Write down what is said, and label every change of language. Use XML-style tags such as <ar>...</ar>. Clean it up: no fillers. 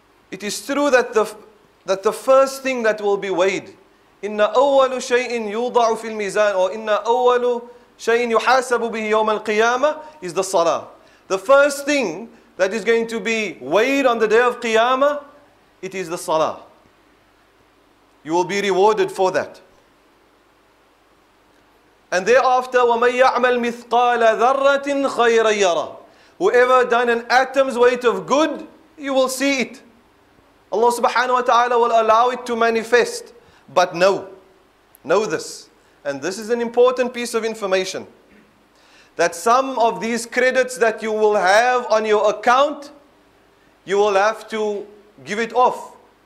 <en>It is true that the first thing that will be weighed,</en> <ar>إن أول شيء يوضع في الميزان</ar> <en>or</en> <ar>إن أول شيء يحاسب به يوم القيامة</ar> <en>is the salah. The first thing that is going to be weighed on the day of Qiyamah, it is the salah. You will be rewarded for that. And thereafter,</en> <ar>وَمَنْ يَعْمَلْ مِثْقَالَ ذَرَّةٍ خَيْرًا يَرَى.</ar> <en>Whoever done an atom's weight of good, you will see it. Allah subhanahu wa ta'ala will allow it to manifest. But know this, and this is an important piece of information, that some of these credits that you will have on your account, you will have to give it off.</en>